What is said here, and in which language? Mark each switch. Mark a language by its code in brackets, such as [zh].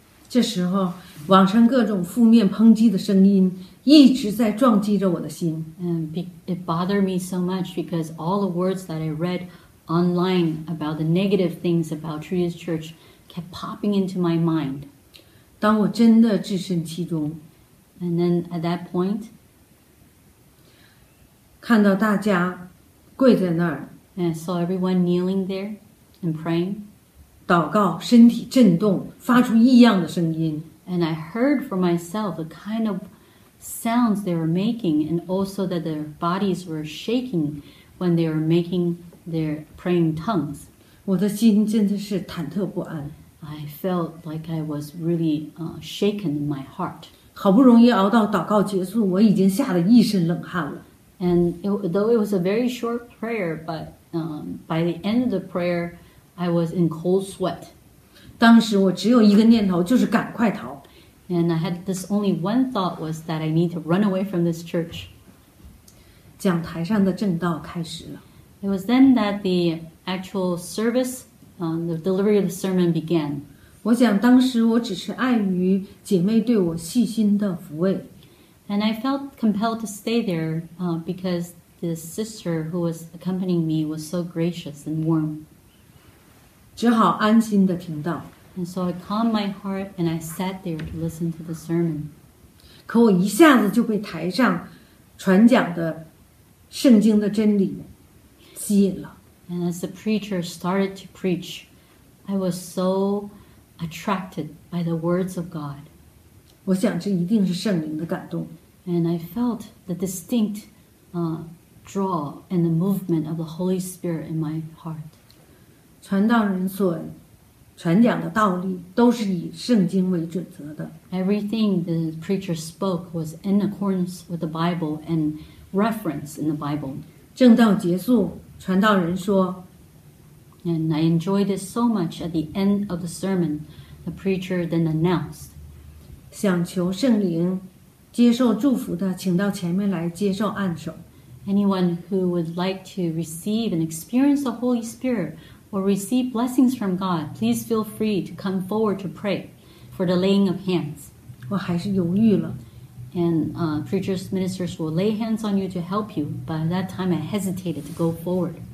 [zh] 这时候，网上各种负面抨击的声音一直在撞击着我的心。 [en] And it bothered me so much because all the words that I read online about the negative things about Trinity Church kept popping into my mind. [zh] 当我真的置身其中。 [en] And then at that point, [zh] 看到大家跪在那儿。 [en] And I saw everyone kneeling there and praying. [zh] 祷告，身体震动，发出异样的声音。 [en] And I heard for myself the kind of sounds they were making and also that their bodies were shaking when they were making their praying tongues. [zh] 我的心真的是忐忑不安。 [en] I felt like I was really shaken in my heart. [zh] 好不容易熬到祷告结束，我已经吓得一身冷汗了。 [en] And though it was a very short prayer, but by the end of the prayer, I was in cold sweat. [zh] 当时我只有一个念头，就是赶快逃。 [en] And I had this only one thought was that I need to run away from this church. [zh] 讲台上的正道开始了。 [en] It was then that the actual service, the delivery of the sermon began. [zh] 我想当时我只是碍于姐妹对我细心的抚慰。 [en] And I felt compelled to stay there because the sister who was accompanying me was so gracious and warm. [zh] 只好安心地听到。 [en] And so I calmed my heart and I sat there to listen to the sermon. [zh] 可我一下子就被台上传讲的圣经的真理吸引了。 [en] And as the preacher started to preach, I was so attracted by the words of God. [zh] 我想这一定是圣灵的感动。 [en] And I felt the distinct draw and the movement of the Holy Spirit in my heart. [zh] 传道人所传讲的道理都是以圣经为准则的。 [en] Everything the preacher spoke was in accordance with the Bible and reference in the Bible. [zh] 正道结束，传道人说 [en] And I enjoyed it so much at the end of the sermon, the preacher then announced, [zh] 想求圣灵接受祝福的请到前面来接受按手。 [en] Anyone who would like to receive and experience the Holy Spirit or receive blessings from God, please feel free to come forward to pray for the laying of hands. [zh] 我还是犹豫了。 [en] And preachers, ministers will lay hands on you to help you, but at that time I hesitated to go forward.